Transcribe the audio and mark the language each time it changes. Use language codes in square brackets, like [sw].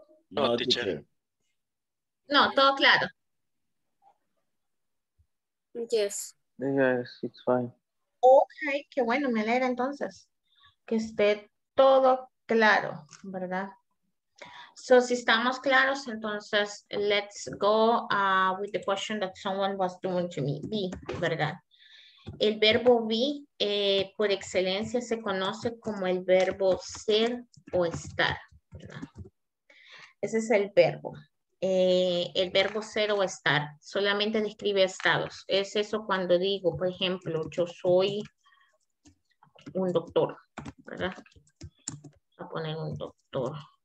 [en] No, teacher. [es] No, todo claro. [en] Yes. Yes, it's fine. [es] Okay, qué bueno, me alegra entonces que esté todo claro, ¿verdad? [en] So, [es] si estamos claros, entonces, [en] let's go with the question that someone was doing to me. [es] Be, ¿verdad? El verbo be, por excelencia, se conoce como el verbo ser o estar, ¿verdad? Ese es el verbo. El verbo ser o estar solamente describe estados. Es eso cuando digo, por ejemplo, yo soy un doctor, ¿verdad? Voy a poner un doctor.